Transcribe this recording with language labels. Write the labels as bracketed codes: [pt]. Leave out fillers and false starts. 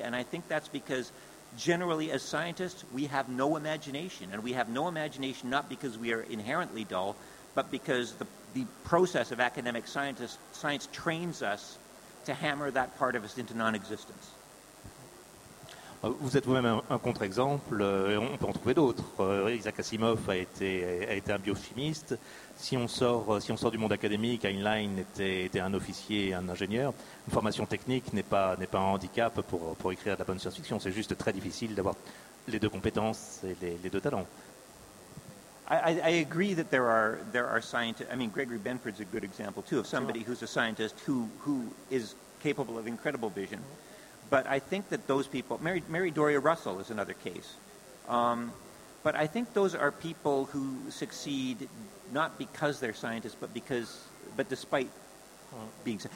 [en] And I think that's because generally as scientists, we have no imagination. And we have no imagination not because we are inherently dull, but because the process of academic science trains us to hammer that part of us into non-existence. [fr] Vous êtes vous-même un contre-exemple, on peut en trouver d'autres. Isaac Asimov a été un biochimiste. Si on sort du monde académique, Heinlein était un officier, un ingénieur. Une formation technique n'est pas un handicap pour écrire de la bonne science-fiction. C'est juste très difficile d'avoir les deux compétences et les deux talents. [en] I agree that there are scientists. I mean, Gregory Benford's a good example too of somebody who's a scientist who is capable of incredible vision. But I think that those people, Mary Doria Russell is another case. But I think those are people who succeed not because they're scientists, but despite being.